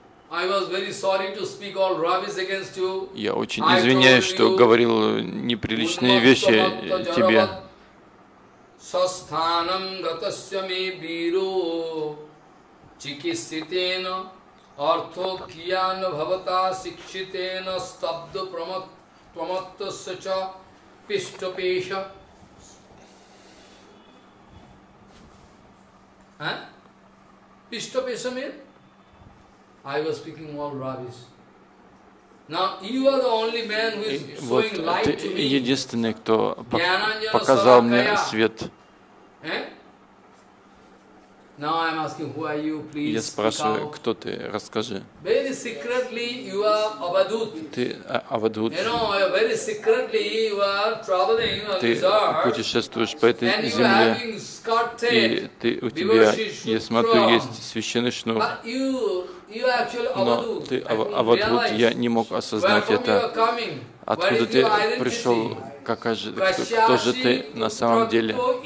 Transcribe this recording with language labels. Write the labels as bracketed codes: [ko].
[en] I was very sorry to speak all rubbish against you. [ru] Я очень извиняюсь, что говорил неприличные вещи тебе. [sa] Састханам гатасьями биру чикиситена артхо киян бхавата сикшитена стабду праматтасача пиштопеша. Пиштопеша мир? [en] I was speaking all rubbish. Now you are the only man who is showing light to me. [ru] Вот ты единственный, кто показал мне свет. [en] Now I'm asking, who are you, please? [ru] Я спрашиваю, кто ты? Расскажи. [en] Very secretly, you are Avadhut. [ru] Ты Avadhut. [en] You know, very secretly, you are traveling on the earth. [ru] Ты путешествуешь по этой земле. И ты у тебя, я смотрю, есть священный шнур. Но ты Avadhut, я не мог осознать это. Откуда ты пришел? Какая же, кто же ты на самом деле?